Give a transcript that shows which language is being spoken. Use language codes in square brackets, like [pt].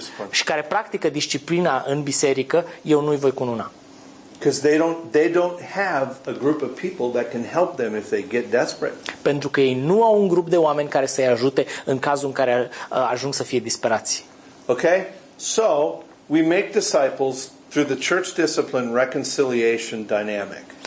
[ro] Și care practică disciplina în biserică, eu nu-i voi cununa. [en] Because they don't have a group of people that can help them if they get desperate. [ro] Pentru că ei nu au un grup de oameni care să-i ajute în cazul în care ajung să fie disperați. [en] Okay? So, we make disciples through the church discipline reconciliation dynamic.